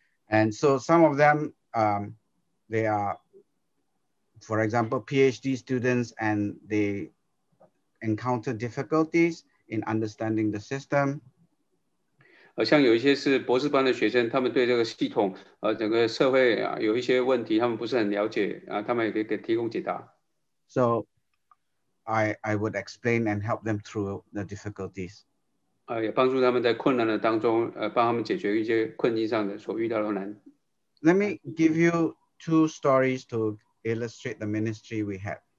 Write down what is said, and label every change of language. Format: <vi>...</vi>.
<en>And so some of them, they are, for example, PhD students, and they encounter difficulties in understanding the system.</en> <zh>像有一些是博士班的学生，他们对这个系统，整个社会有一些问题，他们不是很了解，他们也可以提供解答。</zh> <en>So I would explain and help them through the difficulties.</en> <zh>也帮助他们在困难的当中，帮他们解决一些困境上的所遇到的难。</zh> <en>Let me give you two stories to illustrate the ministry we have.</en>